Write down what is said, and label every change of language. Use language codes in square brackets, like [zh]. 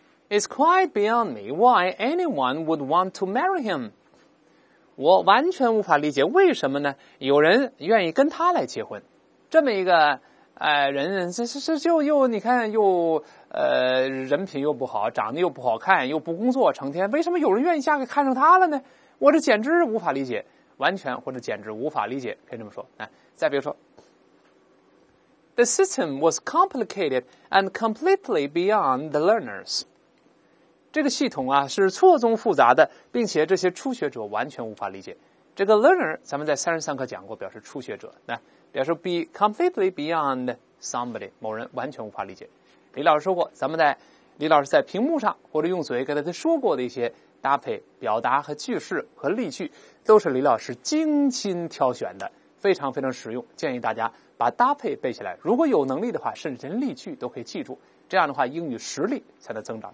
[en] It's quite beyond me why anyone would want to marry him. [zh] 我完全无法理解为什么呢有人愿意跟他来结婚。这么一个人这就又你看又人品又不好，长得又不好看，又不工作，成天为什么有人愿意嫁给看上他了呢？我这简直无法理解，完全或者简直无法理解，可以这么说。再比如说 [en] The system was complicated and completely beyond the learners. [zh] 这个系统啊是错综复杂的，并且这些初学者完全无法理解。这个 learner 咱们在33课讲过，表示初学者，表示 [en] be completely beyond somebody [zh] 某人完全无法理解。李老师说过，咱们在李老师在屏幕上或者用嘴给他说过的一些搭配表达和句式和例句，都是李老师精心挑选的，非常非常实用，建议大家把搭配背起来，如果有能力的话甚至连例句都可以记住，这样的话英语实力才能增长。